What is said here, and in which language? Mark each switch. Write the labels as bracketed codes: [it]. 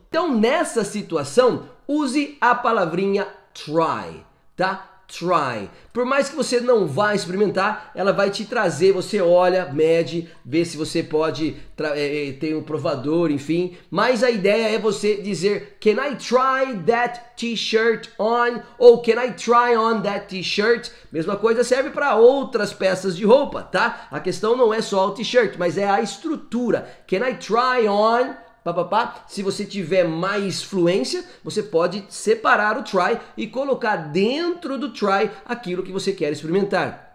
[pt] Então, nessa situação, use a palavrinha try, tá? Try. Por mais que você não vá experimentar, ela vai te trazer, você olha, mede, vê se você pode ter um provador, enfim. Mas a ideia é você dizer, [en] can I try that t-shirt on? [pt] Ou [en] can I try on that t-shirt? [pt] Mesma coisa serve para outras peças de roupa, tá? A questão não é só o t-shirt, mas é a estrutura. [en] Can I try on? [pt] Se você tiver mais fluência, você pode separar o try e colocar dentro do try aquilo que você quer experimentar.